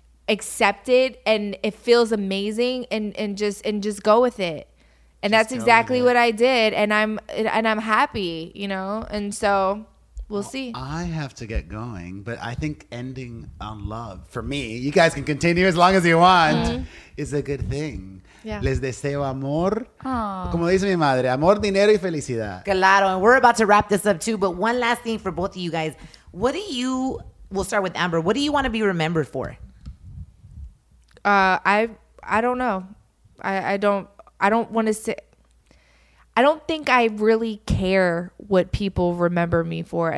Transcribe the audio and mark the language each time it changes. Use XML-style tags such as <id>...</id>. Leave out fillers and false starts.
<en>Accept it, and it feels amazing, and just go with it. And that's exactly what I did, and I'm happy, you know? And so we'll see. I have to get going, but I think ending on love, for me, you guys can continue as long as you want, is a good thing. Yeah.</en> <es>Les deseo amor. Aww. Como dice mi madre, amor, dinero y felicidad. Claro.</es> <en>And we're about to wrap this up too. But one last thing for both of you guys. What do you, we'll start with Amber. What do you want to be remembered for? I don't know. I don't want to say, I don't think I really care what people remember me for.</en>